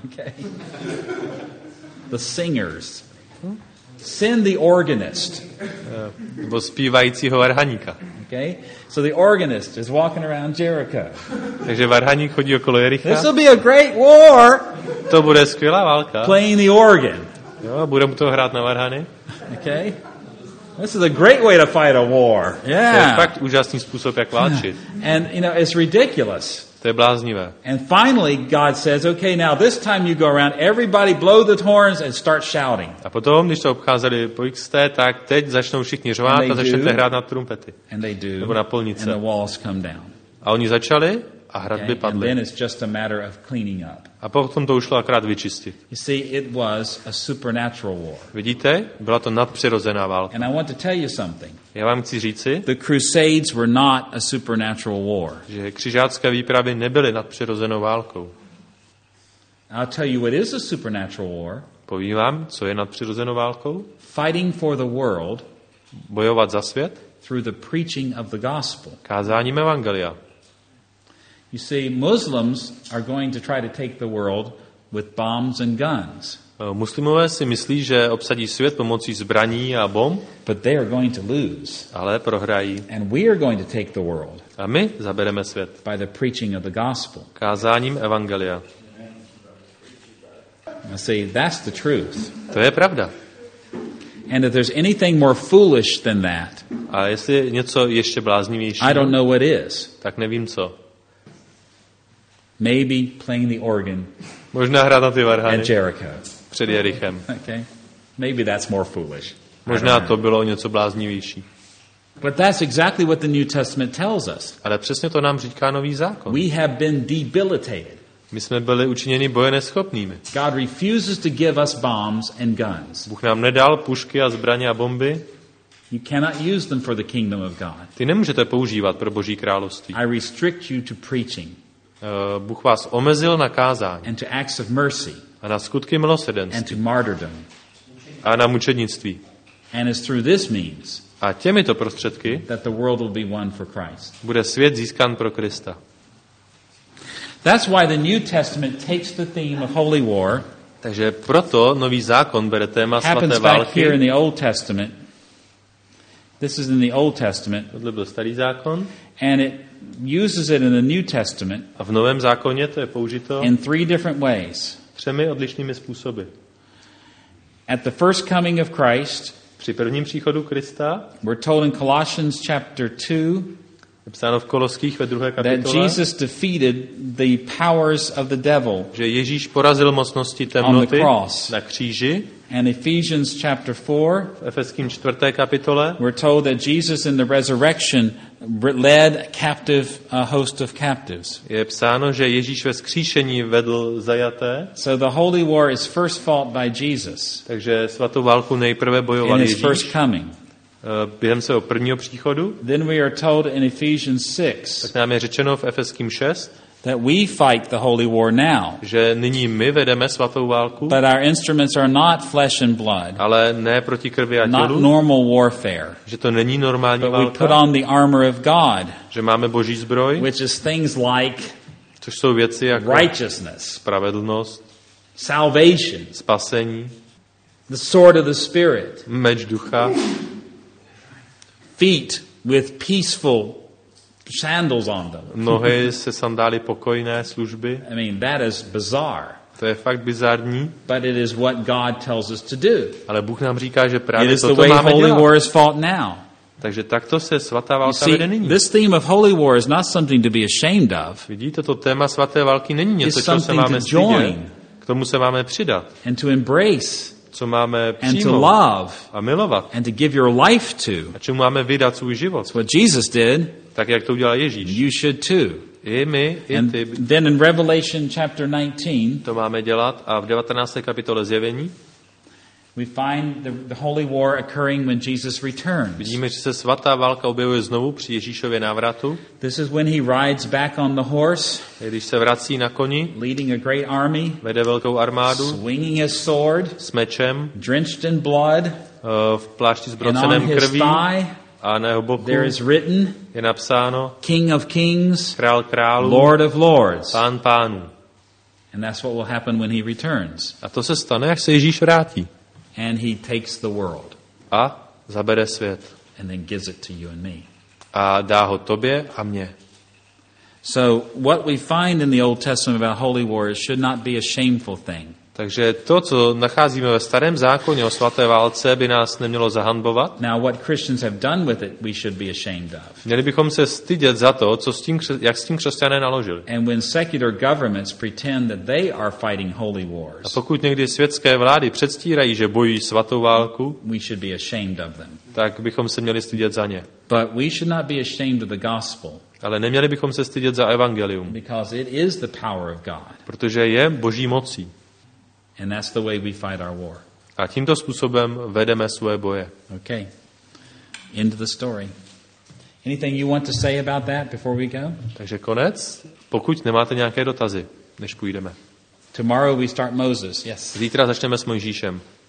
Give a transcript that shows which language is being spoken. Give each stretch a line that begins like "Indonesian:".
English: Okay. The singers. Send the organist.
Czech: Nebo zpívajícího varhaníka.
English: Okay. So the organist is walking around Jericho.
Czech: Takže varhaník chodí okolo Jericha.
English: This will be a great war.
Czech: To bude skvělá válka.
English: Playing the organ.
Czech: Jo, bude mu to hrát na varhany.
English: Okay. This is a great way to fight a war. Yeah.
Czech: To je fakt úžasný způsob, jak válčit.
English: And you know, it's ridiculous.
Czech: To je bláznivé.
English: And finally God says, okay, now this time you go around, everybody blow the horns and start shouting.
Czech: A potom, když to obcházeli po XT, tak teď začnou všichni řvát a začnete hrát na trumpety.
English: And they do.
Czech: Nebo na polnice.
English: And the walls come down.
Czech: A oni začali a hradby padly.
English: And then it's just a matter of cleaning up.
Czech: A potom to ušlo akrát vyčistit.
English: You see, it was a supernatural war.
Czech: Vidíte? Byla to nadpřirozená válka.
English: And I want to tell you something.
Czech: Já vám chci říci,
English: the Crusades were not a supernatural war.
Czech: Že křižácké výpravy nebyly nadpřirozenou válkou.
English: I'll tell you what is a supernatural war.
Czech: Povím vám, co je nadpřirozenou válkou.
English: Fighting for the world.
Czech: Bojovat za svět.
English: Through the preaching of the gospel.
Czech: Kázáním evangelia.
English: You see, Muslims are going to try to take the world with bombs and guns.
Czech: Muslimové si myslí, že obsadí svět pomocí zbraní a bomb.
English: But they are going to lose.
Czech: Ale prohrají.
English: And we are going to take the world.
Czech: A my zabereme svět.
English: By the preaching of the gospel.
Czech: Kázáním evangelia.
English: I say that's the truth.
Czech: To je pravda.
English: And if there's anything more foolish than that.
Czech: A jestli je něco ještě bláznivější.
English: I don't know what is.
Czech: Tak nevím co.
English: Maybe playing the organ.
Czech: Možná hrát na ty varhany.
English: At Jericho.
Czech: Před Jerichem.
English: Okay. Maybe that's more foolish.
Czech: Možná to bylo něco bláznivější.
English: But that's exactly what the New Testament tells us.
Czech: Ale přesně to nám říká Nový zákon.
English: We have been debilitated.
Czech: My jsme byli učiněni bojeneschopnými.
English: God refuses to give us bombs and guns.
Czech: Bůh nám nedal pušky a zbraně a bomby.
English: You cannot use them for the kingdom of God.
Czech: Ty nemůžete používat pro Boží království.
English: I restrict you to preaching.
Czech: Bůh vás omezil na kázání.
English: And to acts of mercy.
Czech: A na skutky milosrdenství.
English: And to martyrdom.
Czech: A na mučednictví.
English: And it's through this means.
Czech: A těmito prostředky.
English: That the world will be won for Christ.
Czech: Bude svět získán pro Krista.
English: That's why the New Testament takes the theme of holy war.
Czech: Takže proto Nový zákon bere téma svaté války.
English: Happens back here in the Old Testament. This is in the Old Testament.
Czech: Tohle byl Starý zákon.
English: And it uses it in the New Testament.
Czech: A v Novém zákoně to je použito.
English: In three different ways.
Czech: Třemi odlišnými způsoby.
English: At the first coming of Christ,
Czech: při prvním příchodu Krista,
English: we're told in Colossians chapter 2,
Czech: je psáno v Koloských ve druhé kapitole,
English: that Jesus defeated the powers of the devil,
Czech: že Ježíš porazil mocnosti temnoty
English: on the cross,
Czech: na kříži,
English: and Ephesians chapter 4,
Czech: v Efeským čtvrté kapitole,
English: we're told that Jesus in the resurrection led captive a host of captives.
Czech: Je psáno, že Ježíš ve vzkříšení vedl zajaté.
English: So the holy war is first fought by Jesus.
Czech: Takže svatou válku nejprve bojoval
English: Ježíš. In his first coming.
Czech: Během svého prvního příchodu.
English: Then we are told in Ephesians 6.
Czech: Tak nám je řečeno v Efeským 6.
English: That we fight the holy war now.
Czech: Že nyní my vedeme svatou válku.
English: But our instruments are not flesh and blood.
Czech: Ale ne proti krvi a tělu.
English: Not normal warfare.
Czech: Že to není normální
English: but
Czech: válka.
English: But we put on the armor of God.
Czech: Že máme Boží zbroj.
English: Which is things like.
Czech: Což jsou věci jako.
English: Righteousness.
Czech: Spravedlnost.
English: Salvation.
Czech: Spasení.
English: The sword of the spirit.
Czech: Meč ducha.
English: Feet with peaceful sandals on them.
Czech: Nohy se sandály pokojné služby.
English: I mean, that is bizarre.
Czech: To je fakt bizarní.
English: But it is what God tells us to do.
Czech: Ale Bůh nám říká, že právě toto máme dělat.
English: Holy war is fought now.
Czech: Takže takto se svatá válka vede nyní.
English: This theme of holy war is not something to be ashamed of.
Czech: Vidíte, to téma svaté války není něco, co se máme stydět. K tomu se máme přidat.
English: And to embrace.
Czech: Co máme přijmout
English: and to love,
Czech: a milovat.
English: And to give your life to.
Czech: A čemu máme vydat svůj život.
English: What Jesus did.
Czech: Tak jak to udělal Ježíš.
English: You should too.
Czech: I my, i
English: and
Czech: ty.
English: Then in Revelation chapter 19.
Czech: To máme dělat a v 19. kapitole Zjevení.
English: We find the holy war occurring when Jesus returns.
Czech: Vidíme, že se svatá válka objevuje znovu při Ježíšově návratu.
English: This is when he rides back on the horse.
Czech: Když se vrací na koni.
English: Leading a great army.
Czech: Vede velkou armádu.
English: Swinging his sword.
Czech: S mečem.
English: Drenched in blood.
Czech: V plášti zbroceném krví.
English: And on his thigh.
Czech: A na jeho boku
English: there is written,
Czech: je napsáno
English: King of Kings,
Czech: Král králů,
English: Lord of Lords.
Czech: Pán pánů.
English: And that's what will happen when he returns.
Czech: A to se stane, jak se Ježíš vrátí.
English: And he takes the world.
Czech: A zabere svět.
English: And then gives it to you and me.
Czech: A dá ho tobě a mně.
English: So what we find in the Old Testament about holy war should not be a shameful thing.
Czech: Takže to, co nacházíme ve starém zákoně o svaté válce, by nás nemělo zahanbovat.
English: Now what Christians have done with it, we should be ashamed of.
Czech: Měli bychom se stydět za to, co s tím, jak s tím křesťané naložili.
English: And when secular governments pretend that they are fighting holy wars.
Czech: A pokud někdy světské vlády předstírají, že bojují svatou válku,
English: we should be ashamed of them.
Czech: Tak bychom se měli stydět za ně.
English: But we should not be ashamed of the gospel.
Czech: Ale neměli bychom se stydět za evangelium.
English: Because it is the power of God.
Czech: Protože je Boží mocí.
English: And that's the way we fight our war.
Czech: A tímto způsobem vedeme svoje boje.
English: Okay. End of the story. Anything you want to say about that before we go?
Czech: Takže konec. Pokud nemáte nějaké dotazy, než půjdeme.
English: Tomorrow we start Moses. Yes.
Czech: Zítra začneme s Mojžíšem.